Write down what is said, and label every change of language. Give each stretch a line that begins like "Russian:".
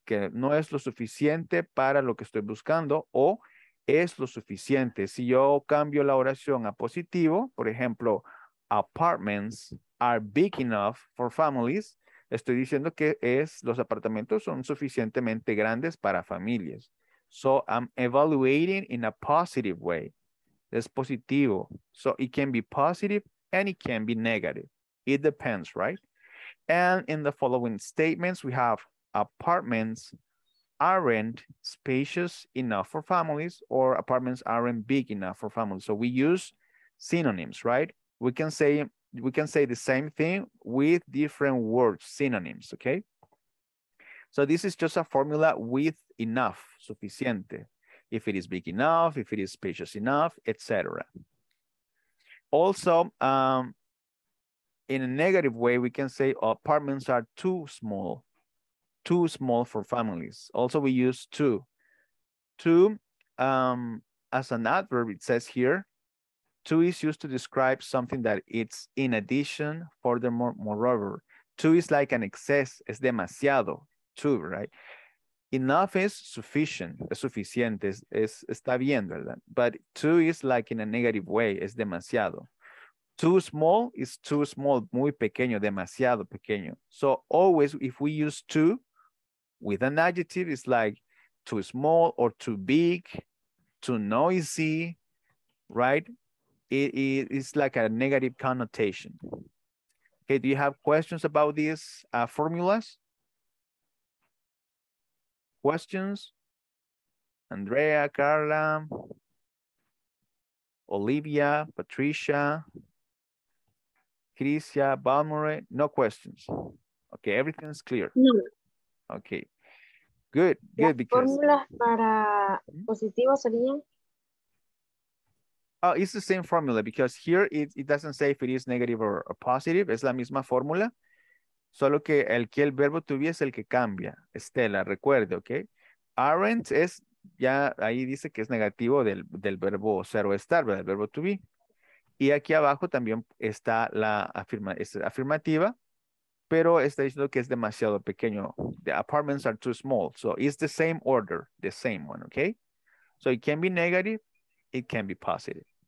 Spanish: Que no es lo suficiente para lo que estoy buscando o es lo suficiente. Si yo cambio la oración a positivo, por ejemplo,
English: apartments are big enough for families,
Spanish: estoy diciendo que es, los apartamentos son suficientemente grandes para familias.
English: So I'm evaluating in a positive way.
Spanish: Es positivo.
English: So it can be positive and it can be negative. It depends, right? And in the following statements, we have apartments aren't spacious enough for families, or apartments aren't big enough for families. So we use synonyms, right? We can say the same thing with different words, synonyms, okay? So this is just a formula with enough, suficiente. If it is big enough, if it is spacious enough, etc. Also, in a negative way, we can say apartments are too small for families. Also, we use too. Too, as an adverb, it says here, too is used to describe something that it's in addition, furthermore, moreover. Too is like an excess,
Spanish: es demasiado,
English: too, right? Enough is sufficient,
Spanish: es suficiente, está bien, ¿verdad?
English: But too is like in a negative way,
Spanish: es demasiado.
English: Too small is too small,
Spanish: muy pequeño, demasiado pequeño.
English: So always, if we use too with an adjective, it's like too small or too big, too noisy, right? It's like a negative connotation. Okay, do you have questions about these formulas? Questions? Andrea, Carla, Olivia, Patricia, Crisia, Balmore, no questions. Okay, everything's clear. No. Okay, good, good. Because formulas
Spanish: para positivo serían?
English: Oh, it's the same formula because here it doesn't say if it is negative or positive.
Spanish: Es la misma fórmula. Solo que el verbo to be es el que cambia. Estela, recuerde, okay? Aren't es, ya ahí dice que es negativo del verbo ser o estar, del verbo to be. Y aquí abajo también está la afirmativa, pero está diciendo que es demasiado pequeño.
English: The apartments are too small. So it's the same order, the same one, okay? So it can be negative, it can be positive.